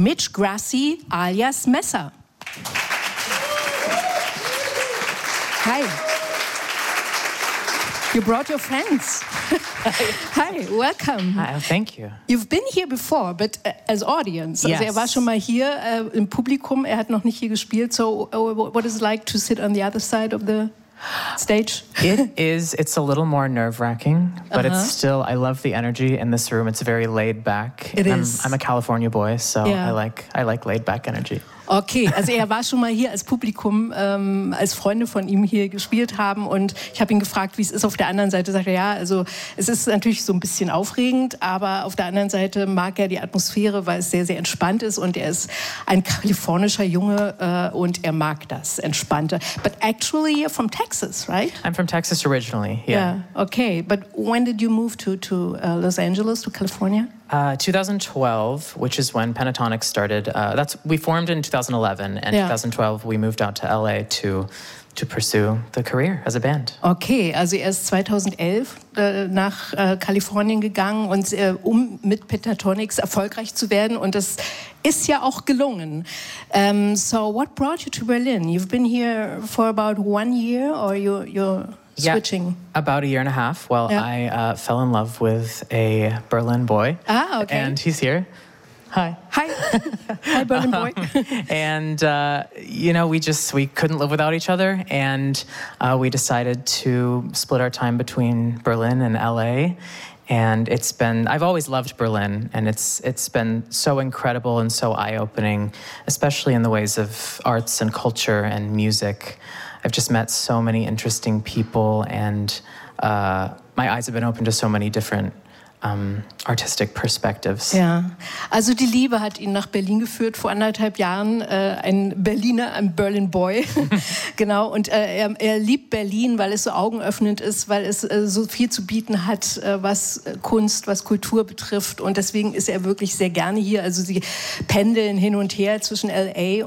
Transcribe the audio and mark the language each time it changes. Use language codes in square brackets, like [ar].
[en] Mitch Grassi alias Messer. Hi. You brought your friends. Hi. Hi, welcome. Hi, thank you. You've been here before, but as audience. Yes. [de] Also er war schon mal hier im Publikum. Er hat noch nicht hier gespielt. [en] So what is it like to sit on the other side of the stage? It's a little more nerve-wracking, but uh-huh. It's still, I love the energy in this room. It's very laid back. I'm a California boy, so yeah. I like laid back energy. [de] Okay, also er war schon mal hier als Publikum, als Freunde von ihm hier gespielt haben und ich habe ihn gefragt, wie es ist auf der anderen Seite. Sagt er, ja, also es ist natürlich so ein bisschen aufregend, aber auf der anderen Seite mag er die Atmosphäre, weil es sehr, sehr entspannt ist und er ist ein kalifornischer Junge und er mag das Entspannte. [en] But actually you're from Texas, right? I'm from Texas originally, yeah. Yeah, okay. But when did you move to Los Angeles, to California? 2012, which is when Pentatonix started. We formed in 2011, and yeah. 2012 we moved out to LA to pursue the career as a band. [de] Okay, also er ist 2011 nach Kalifornien gegangen, und um mit Pentatonix erfolgreich zu werden, und das ist ja auch gelungen. [en] So what brought you to Berlin? You've been here for about 1 year, or you're Yeah, switching. About a year and a half. Well, yeah. I fell in love with a Berlin boy. Ah, okay. And he's here. Hi. Hi. Hi, Berlin boy. And, you know, we couldn't live without each other. And we decided to split our time between Berlin and LA. And I've always loved Berlin. And it's been so incredible and so eye-opening, especially in the ways of arts and culture and music. I've just met so many interesting people, and my eyes have been open to so many different artistic perspectives. [de] Ja, also die Liebe hat ihn nach Berlin geführt vor anderthalb Jahren. Ein Berlin Boy. Genau, und er liebt Berlin, weil es so augenöffnend ist, weil es so viel zu bieten hat, was Kunst, was Kultur betrifft. Und deswegen ist er wirklich sehr gerne hier. Also sie pendeln hin und her zwischen L.A.